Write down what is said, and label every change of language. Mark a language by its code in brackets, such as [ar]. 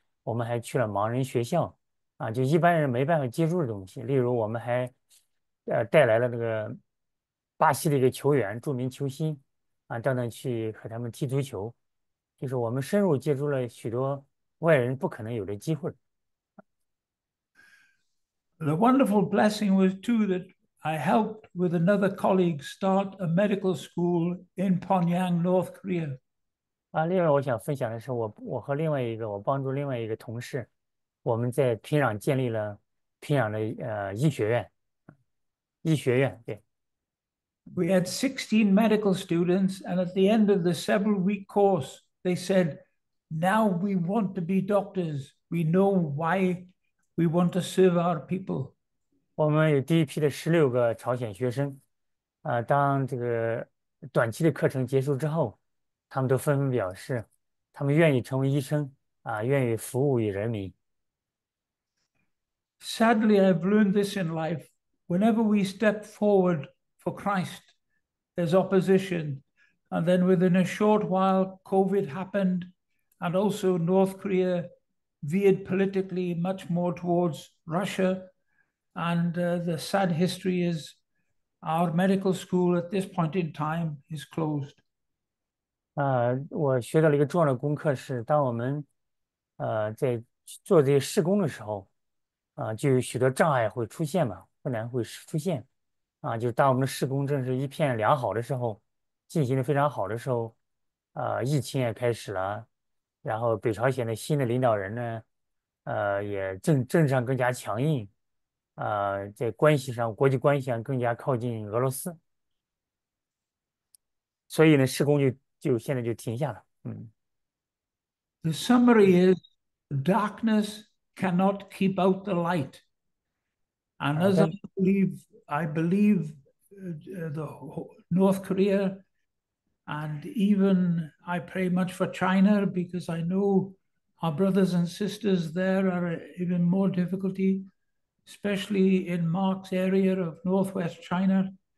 [zh] 我们还去了盲人学校，啊，就一般人没办法接触的东西。例如，我们还带来了那个巴西的一个球员，著名球星，啊，到那去和他们踢足球，就是我们深入接触了许多外人不可能有的机会。 [en] The wonderful blessing was too that I helped with another colleague start a medical school in Pyongyang, North Korea. [zh] 啊，另外我想分享的是我和另外一个，我帮助另外一个同事，我们在平壤建立了平壤的医学院，对。 [en] We had 16 medical students, and at the end of the several-week course, they said, "Now we want to be doctors. We know why we want to serve our people." [zh] 我们有第一批的16个朝鲜学生，当这个短期的课程结束之后，他们都纷纷表示，他们愿意成为医生，愿意服务于人民。 [en] Sadly, I've learned this in life. Whenever we step forward for Christ, there's opposition. And then within a short while, COVID happened, and also North Korea veered politically much more towards Russia. And the sad history is our medical school at this point in time is closed. [zh] 我学到了一个重要的功课是，当我们在做这些试工的时候，就有许多障碍会出现嘛，困难会出现，就当我们的试工正是一片良好的时候，进行的非常好的时候，疫情也开始了，然后北朝鲜的新的领导人呢，也政治上更加强硬，在关系上，国际关系上更加靠近俄罗斯，所以呢，试工就现在就停下了， [en] The summary is darkness cannot keep out the light. And as I believe the North Korea, and even I pray much for China because I know our brothers and sisters there are even more difficulty, especially in Mark's area of Northwest China.